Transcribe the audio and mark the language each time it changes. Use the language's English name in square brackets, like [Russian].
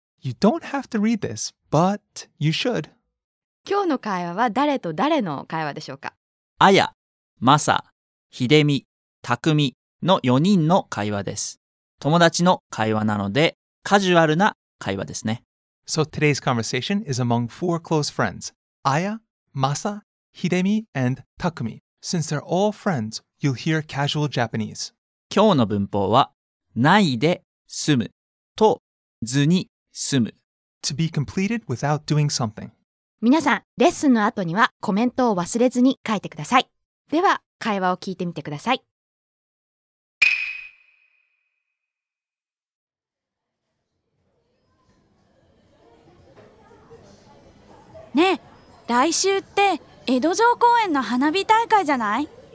[English] You don't have to read this, but you should. [Japanese] 今日の会話は誰と誰の会話でしょうか？アヤ、マサ、ヒデミ、タクミの4人の会話です。友達の会話なのでカジュアルな会話ですね。 [English] So today's conversation is among four close friends. [Japanese] アヤ、マサ、ヒデミ and タクミ。 [English] Since they're all friends, you'll hear casual Japanese. [Japanese] 今日の文法は、ないで済むと、図に済む。 [English] To be completed without doing something. [Japanese] 皆さん、レッスンの後にはコメントを忘れずに書いてください。では、会話を聞いてみてください。ねえ、来週って、江戸城公園の花火大会じゃない？